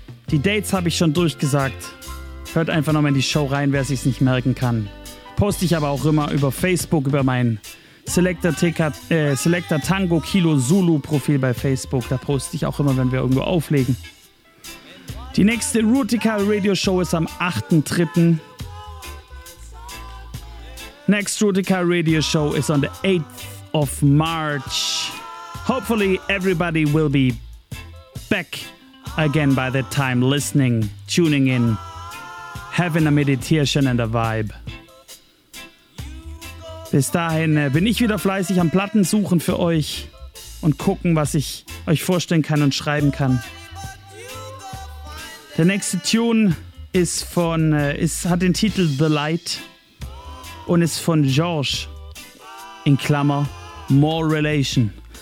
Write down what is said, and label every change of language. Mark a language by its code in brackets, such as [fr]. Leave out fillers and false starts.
[de] Die Dates habe ich schon durchgesagt. Hört einfach nochmal in die Show rein, wer sich's nicht merken kann. Poste ich aber auch immer über Facebook, über meinen Selector Tango Kilo Zulu Profil bei Facebook. Da poste ich auch immer, wenn wir irgendwo auflegen. Die nächste Rootikal Radio Show ist am 8.3. [en] Next Rootikal Radio Show is on the 8th of March. Hopefully everybody will be back again by that time, listening, tuning in, having a meditation and a vibe. [de] Bis dahin bin ich wieder fleißig am Platten suchen für euch und gucken, was ich euch vorstellen kann und schreiben kann. Der nächste Tune hat den Titel The Light und ist von George in Klammer More Relation.